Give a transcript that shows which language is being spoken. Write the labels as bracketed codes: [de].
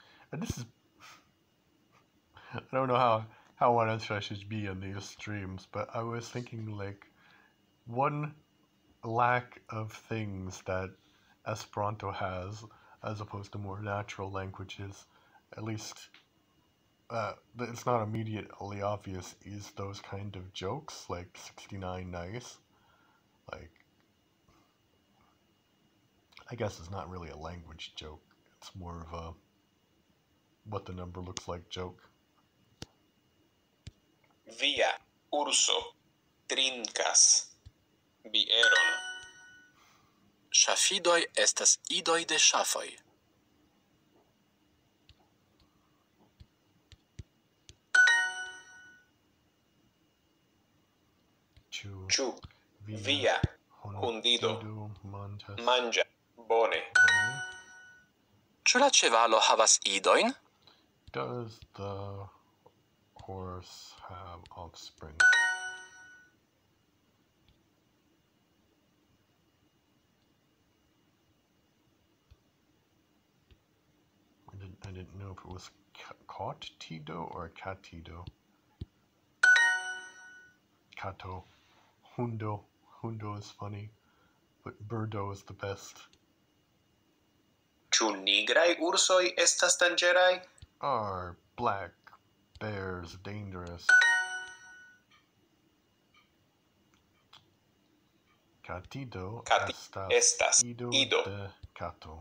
[en] And this is I don't know how honest I should be in these streams, but I was thinking, like, one lack of things that Esperanto has, as opposed to more natural languages, at least, it's not immediately obvious, is those kind of jokes, like, 69 nice. Like, I guess it's not really a language joke, it's more of a what the number looks like joke. [eo] Via urso trinkas bieron. Ŝafidoj estas idoj de ŝafoj. Ĉu via hundido manĝas bone? Ĉu la ĉevalo havas idojn? [en] Does the horse have offspring? I didn't know if it was cotido or catido. Cato. Hundo. Hundo is funny, but birdo is the best. [eo] Ĉu nigraj ursoj estas danĝeraj? [en] Are black bears dangerous? [eo] Catido estas ido de cato.